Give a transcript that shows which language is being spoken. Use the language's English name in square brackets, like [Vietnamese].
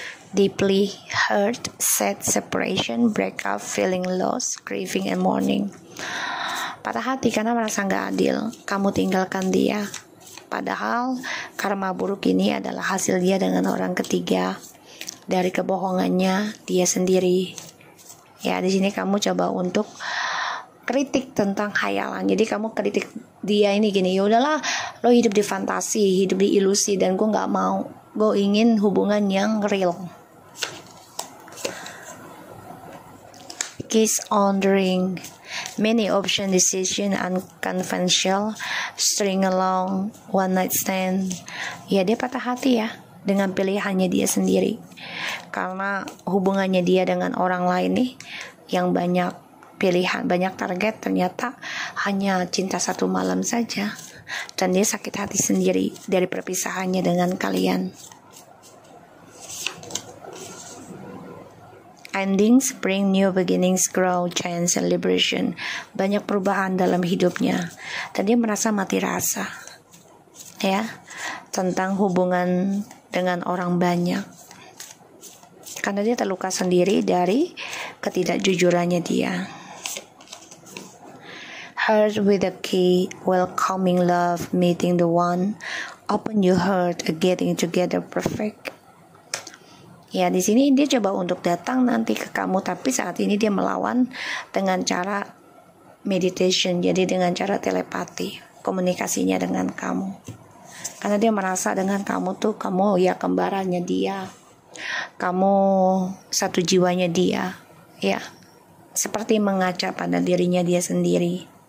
[English] Deeply hurt, sad, separation, breakup, feeling lost, grieving and mourning. [Indonesian] Patah hati karena merasa gak adil kamu tinggalkan dia. Padahal karma buruk ini adalah hasil dia dengan orang ketiga dari kebohongannya dia sendiri. Ya, di sini kamu coba untuk kritik tentang khayalan. Jadi kamu kritik dia ini gini, ya udahlah, lo hidup di fantasi, hidup di ilusi, dan gue nggak mau. Gue ingin hubungan yang real. [English] Kiss on the ring. Many option decision unconventional, string along, one night stand. [Indonesian] Ya, dia patah hati, ya, dengan pilihannya dia sendiri. Karena hubungannya dia dengan orang lain nih, yang banyak pilihan, banyak target, ternyata hanya cinta satu malam saja. Dan dia sakit hati sendiri dari perpisahannya dengan kalian. [English] Endings bring new beginnings, grow, chance, and liberation. [Indonesian] Banyak perubahan dalam hidupnya. Dan dia merasa mati rasa, ya, tentang hubungan dengan orang banyak. Karena dia terluka sendiri dari ketidakjujurannya dia. [English] Heart with a key, welcoming love, meeting the one, open your heart, getting together perfect. [Indonesian] Ya, di sini dia coba untuk datang nanti ke kamu, tapi saat ini dia melawan dengan cara meditation, jadi dengan cara telepati komunikasinya dengan kamu. Karena dia merasa dengan kamu tuh, kamu ya kembarannya dia, kamu satu jiwanya dia, ya, seperti mengaca pada dirinya dia sendiri.